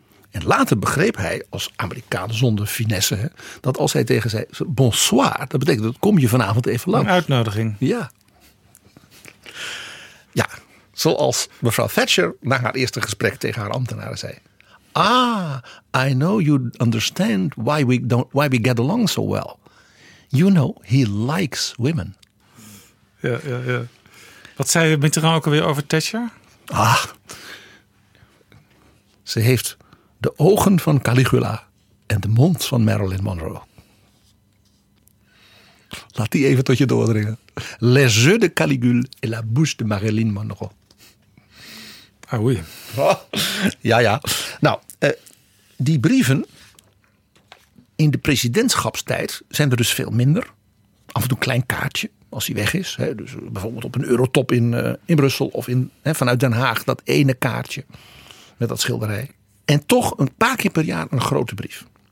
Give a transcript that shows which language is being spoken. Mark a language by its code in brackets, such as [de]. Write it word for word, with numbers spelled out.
[nl] En later begreep hij, als Amerikaan zonder finesse, hè, dat als hij tegen zei, bonsoir, dat betekent dat kom je vanavond even langs. Een uitnodiging. Ja. Ja, zoals mevrouw Thatcher na haar eerste gesprek tegen haar ambtenaren zei. [en] Ah, I know you understand why we, don't, why we get along so well. You know, he likes women. [nl] Ja, ja, ja. Wat zei Mitterrand ook alweer over Thatcher? Ah, ze heeft de ogen van Caligula en de mond van Marilyn Monroe. Laat die even tot je doordringen. [fr] Les yeux de Caligula et la bouche de Marilyn Monroe. Ah oui. [nl] Ja, ja. Nou, eh, die brieven in de presidentschapstijd zijn er dus veel minder. Af en toe een klein kaartje als hij weg is. Hè. Dus bijvoorbeeld op een Eurotop in, uh, in Brussel of in, hè, vanuit Den Haag. Dat ene kaartje met dat schilderij. En toch een paar keer per jaar een grote brief.